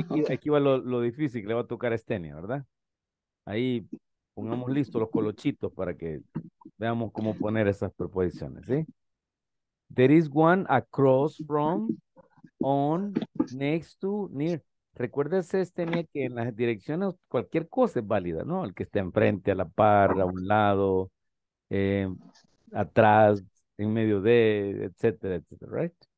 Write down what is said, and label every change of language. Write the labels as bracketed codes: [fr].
[es] Aquí va lo difícil que le va a tocar a Estenia, ¿verdad? Ahí pongamos listos los colochitos para que veamos cómo poner esas proposiciones, ¿sí? [en] There is one across from, on, next to, near. [es] Recuérdese, Estenia, que en las direcciones cualquier cosa es válida, ¿no? El que está enfrente, a la par, a un lado, atrás, en medio de, etcétera, right?